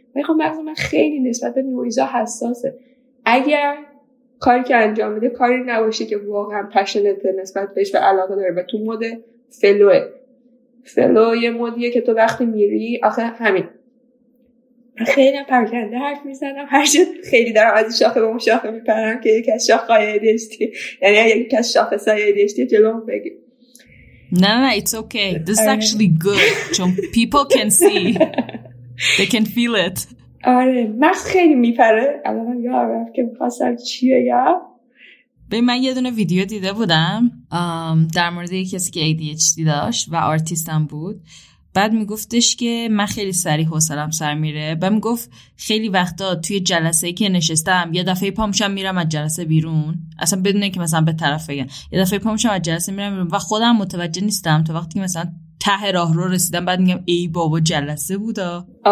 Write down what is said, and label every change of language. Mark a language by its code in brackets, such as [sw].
[fa] ولی خب مغز من خیلی نسبت به نویزا حساسه، اگر کاری که انجام میده کاری نباشه که واقعا پشنت نسبت بهش و علاقه داره و تو مود فلوه، فلو یه مودیه که تو وقتی میری آخه همین خیلی هم پرکنده حرف میزنم، هر جد خیلی دارم از شاخه به اون شاخه میپرم که یکی از شاخه‌های ADHD، یعنی یکی از شاخه‌های ADHD جلو هم بگیر. [en] نه it's okay, this is actually good. چون people can see, they can feel it. [fa] آره مغز خیلی میپره. الان هم یارم که میخواستم چیه یا به من یه دونه ویدیو دیده بودم در مورد یک کسی که ADHD داشت و آرتیستم بود، بعد میگفتش که من خیلی سریع حوصله‌ام سر میره، بعد میگفت خیلی وقتا توی جلسه ای که نشستم یه دفعه پامشم میرم از جلسه بیرون، اصلا بدون اینکه مثلا به طرف بگم، یه دفعه پامشم از جلسه میرم بیرون و خودم متوجه نیستم تا وقتی که مثلا ته راه رو رسیدم، بعد میگم ای بابا جلسه بودا.